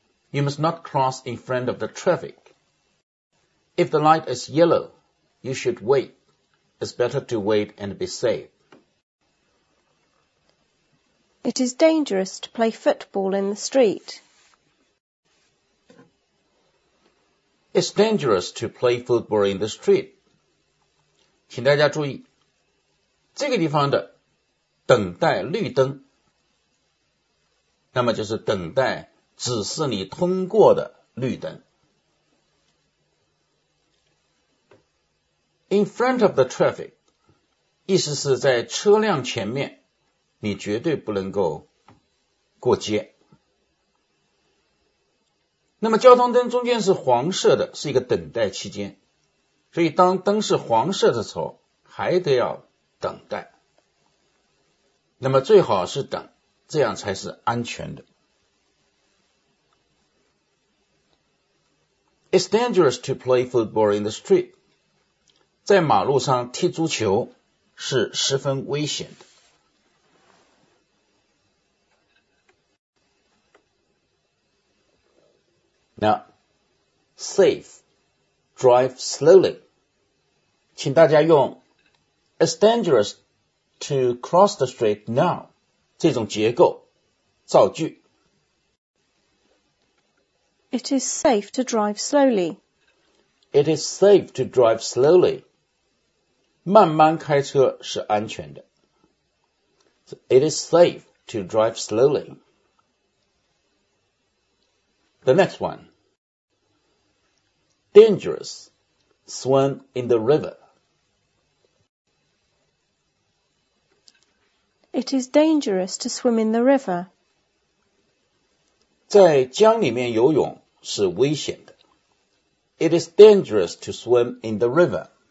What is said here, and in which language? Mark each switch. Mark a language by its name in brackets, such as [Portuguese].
[English] You must not cross in front of the traffic. If the light is yellow, you should wait. It's better to wait and be safe. It is dangerous to play football in the street. It's dangerous to play football in the street. [Chinese] 请大家注意，这个地方的等待绿灯，那么就是等待指示你通过的绿灯。 [English] In front of the traffic, [Chinese] 意思是在车辆前面。你绝对不能够过街。那么交通灯中间是黄色的，是一个等待期间，所以当灯是黄色的时候还得要等待，那么最好是等，这样才是安全的。 [English] It's dangerous to play football in the street. [Chinese] 在马路上踢足球是十分危险的。 [English] Now, safe, drive slowly. [Chinese] 请大家用 [English] It's dangerous to cross the street now. [Chinese] 这种结构造句。 [English] It is safe to drive slowly. It is safe to drive slowly. [Chinese] 慢慢开车是安全的。 [English] It is safe to drive slowly. The next one. Dangerous. Swim in the river. It is dangerous to swim in the river. [Chinese] 在江里面游泳是危险的。 [English] It is dangerous to swim in the river.